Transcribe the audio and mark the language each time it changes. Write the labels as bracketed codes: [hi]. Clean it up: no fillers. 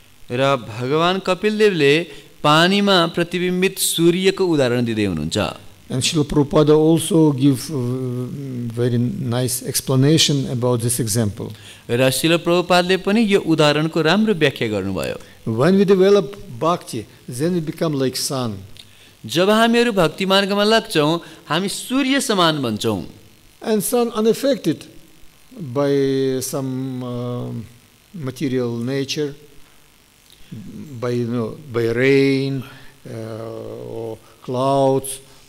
[ne] र भगवान् कपिलदेवले पानीमा प्रतिबिम्बित सूर्यको उदाहरण दिँदै हुनुहुन्छ. [en] And Srila Prabhupada also give very nice explanation about this example. [ne] र श्रील प्रभुपादले पनि यो उदाहरणको राम्रो व्याख्या गर्नुभयो. [en] When we develop bhakti, then we become like sun. [ne] जब हामीहरू भक्ति मार्गमा लाग्छौँ हामी सूर्य समान बन्छौँ. [en] And sun unaffected by some material nature, by, you know, by rain, or clouds,